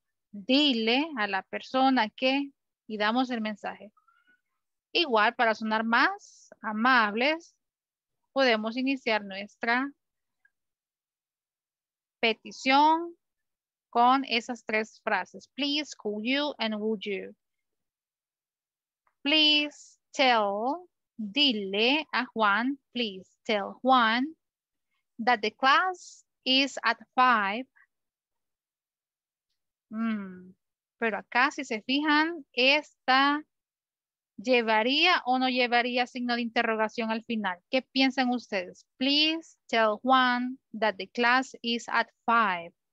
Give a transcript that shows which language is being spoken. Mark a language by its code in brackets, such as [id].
[es] Dile a la persona que, y damos el mensaje. Igual, para sonar más amables, podemos iniciar nuestra petición con esas tres frases. [en] Please, could you, and would you. Please tell, [es] dile a Juan, [en] please tell Juan that the class is at 5. [es] Pero acá, si se fijan, esta ¿Llevaría o no llevaría signo de interrogación al final? ¿Qué piensan ustedes? [en] Please tell Juan that the class is at 5.